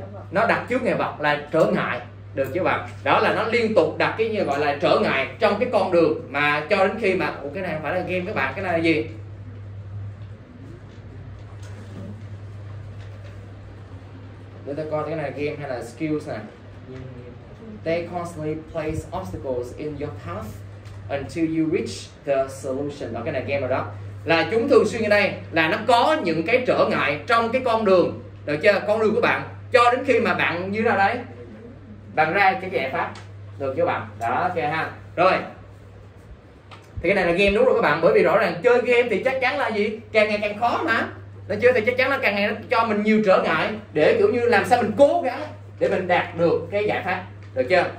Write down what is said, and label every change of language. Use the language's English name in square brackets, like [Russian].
[Vietnamese] Nó đặt trước ngày vật là trở ngại. Được chưa bạn? Đó là nó liên tục đặt cái như gọi là trở ngại trong cái con đường mà cho đến khi mà... Ủa cái này không phải là game các bạn, cái này là gì? Để ta coi cái này là game hay là skills nè. [English] They constantly place obstacles in your path until you reach the solution. [Vietnamese] Đó, cái này game rồi đó. Là chúng thường xuyên ở đây là nó có những cái trở ngại trong cái con đường, được chưa? Con đường của bạn cho đến khi mà bạn như ra đấy, bạn ra cái giải pháp, được chưa bạn? Đó, ok ha. Rồi thì cái này là game đúng rồi các bạn, bởi vì rõ ràng chơi game thì chắc chắn là gì, càng ngày càng khó mà, được chưa? Thì chắc chắn là càng ngày nó cho mình nhiều trở ngại để kiểu như làm sao mình cố gắng để mình đạt được cái giải pháp, được chưa?